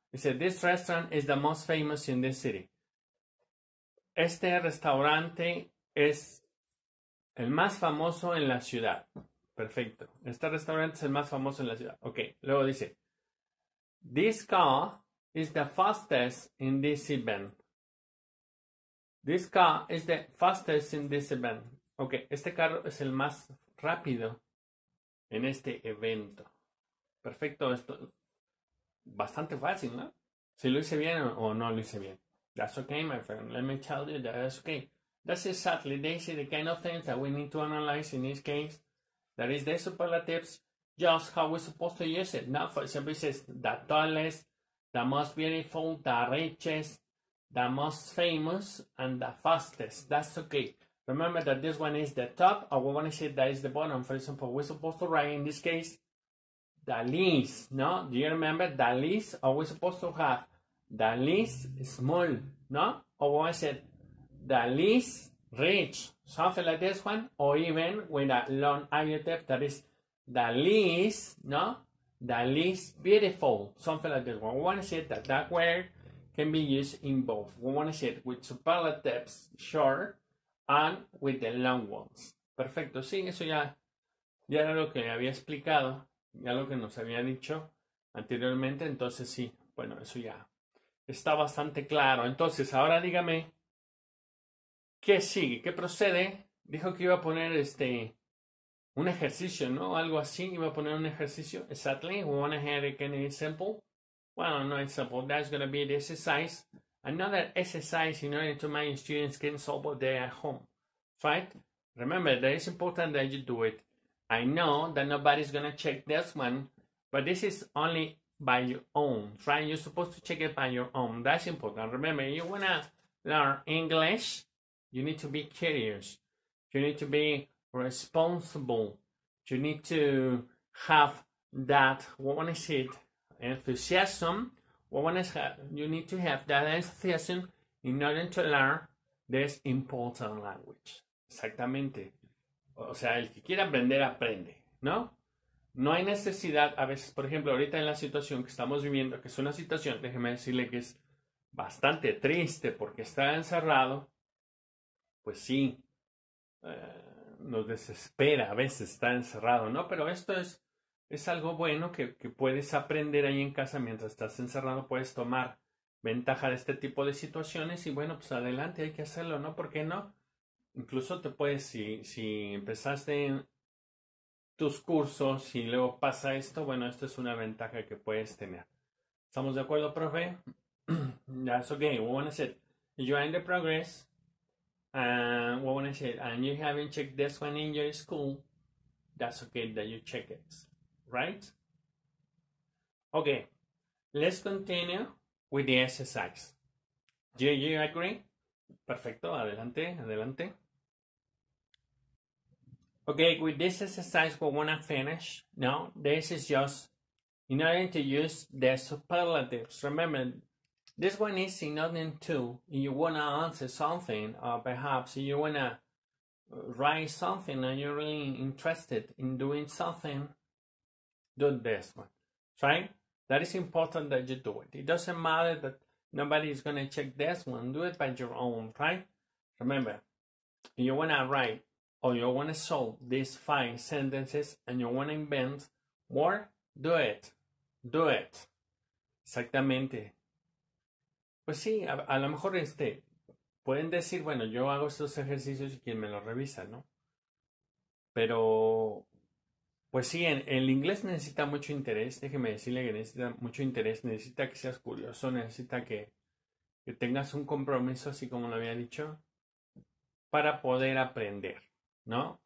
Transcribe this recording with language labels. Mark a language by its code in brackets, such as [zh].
[es] Dice, [en] this restaurant is the most famous in this city. [es] Este restaurante es el más famoso en la ciudad. Perfecto. Este restaurante es el más famoso en la ciudad. [en] Ok. [es] Luego dice, [en] this car is the fastest in this event. This car is the fastest in this event. Ok. [es] Este carro es el más rápido en este evento. Perfecto. Esto bastante fácil, ¿no? Si lo hice bien o no lo hice bien. [en] That's okay, my friend. Let me tell you that that's okay. That's exactly this is the kind of things that we need to analyze in this case. That is the superlatives, just how we're supposed to use it. Now, for example, it says the tallest, the most beautiful, the richest, the most famous, and the fastest. That's okay. Remember that this one is the top, or we want to say that is the bottom. For example, we're supposed to write in this case the least. No, do you remember the least? Or we're supposed to have the least small, no? Or we want to say the least rich, something like this one, or even with a long adjective that is the least, no? The least beautiful, something like this one. We want to say that that word can be used in both. We want to say it with superlatives, short, and with the long ones. [es] Perfecto, sí, eso ya era lo que había explicado, ya lo que nos había dicho anteriormente. Entonces, sí, bueno, eso ya está bastante claro. Entonces, ahora dígame, ¿qué sigue? ¿Qué procede? Dijo que iba a poner un ejercicio, ¿no? Algo así. Iba a poner un ejercicio. [en] Exactly. We want to have a kind of example. Well, no example. That's going to be the exercise. Another exercise in order to make students can solve what they're at home. Right? Remember, that it's important that you do it. I know that nobody's going to check this one, but this is only by your own. Right? You're supposed to check it by your own. That's important. Remember, you want to learn English. You need to be curious. You need to be responsible. You need to have that, what one is it, enthusiasm. What one is have? You need to have that enthusiasm in order to learn this important language. [es] Exactamente. O sea, el que quiera aprender, aprende, ¿no? No hay necesidad, a veces, por ejemplo, ahorita en la situación que estamos viviendo, que es una situación, déjeme decirle que es bastante triste porque está encerrado. Pues sí, nos desespera a veces estar encerrado, ¿no? Pero esto es algo bueno que puedes aprender ahí en casa mientras estás encerrado. Puedes tomar ventaja de este tipo de situaciones y bueno, pues adelante, hay que hacerlo, ¿no? ¿Por qué no? Incluso te puedes, si empezaste en tus cursos y luego pasa esto, bueno, esto es una ventaja que puedes tener. ¿Estamos de acuerdo, profe? [en] That's okay, we want to say, you are in the progress. What when I said, and you haven't checked this one in your school, that's okay that you check it, right? Okay, let's continue with the exercise. Do you agree? [es] Perfecto, adelante, adelante. [en] Okay, with this exercise, we want to finish. No, this is just in order to use the superlatives. Remember, this one is in order to, if you want to answer something, or perhaps you want to write something and you're really interested in doing something, do this one, right? That is important that you do it. It doesn't matter that nobody is going to check this one. Do it by your own, right? Remember, you want to write or you want to solve these five sentences and you want to invent more, do it. Do it. [es] Exactamente. Pues sí, a lo mejor pueden decir, bueno, yo hago estos ejercicios y quien me los revisa, ¿no? Pero, pues sí, el inglés necesita mucho interés, déjeme decirle que necesita mucho interés, necesita que seas curioso, necesita que tengas un compromiso, así como lo había dicho, para poder aprender, ¿no?